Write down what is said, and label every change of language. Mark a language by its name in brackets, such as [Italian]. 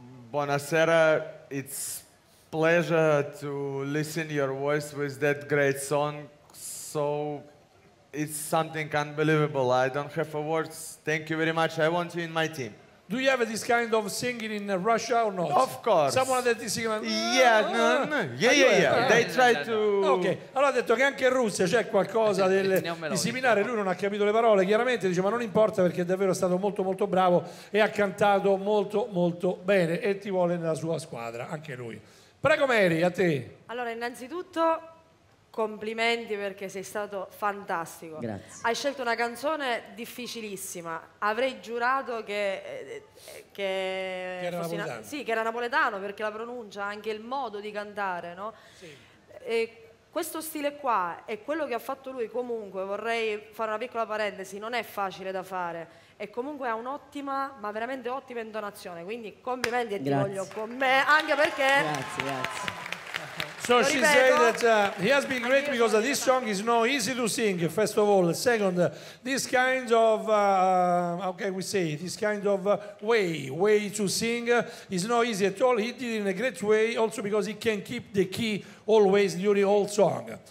[English] Buonasera, it's pleasure to listen your voice with that great song. So it's something unbelievable. I don't have words. Thank you very much. I want you in my team. Do you have this kind of singing in Russia or not? Of course. Someone that is singing like, yeah, no, no, no. Yeah, yeah, yeah. They try to... [Italian] Ok, allora ha detto che anche in Russia c'è qualcosa di similare. Lui non ha capito le parole, chiaramente, dice, ma non importa perché è davvero stato molto, molto bravo e ha cantato molto, molto bene e ti vuole nella sua squadra, anche lui. Prego Mary, a te. Allora, innanzitutto Complimenti perché sei stato fantastico. Grazie. Hai scelto una canzone difficilissima. Avrei giurato che era napoletano, perché la pronuncia, anche il modo di cantare, no? Sì. E questo stile qua è quello che ha fatto lui. Comunque vorrei fare una piccola parentesi: non è facile da fare, e comunque ha un'ottima, ma veramente ottima intonazione, quindi complimenti. Grazie. E ti voglio con me, anche perché grazie. [English] So she said that he has been great because this song is not easy to sing, first of all. Second, this kind of, how can we say it, this kind of way to sing is not easy at all. He did it in a great way also because he can keep the key always during all song.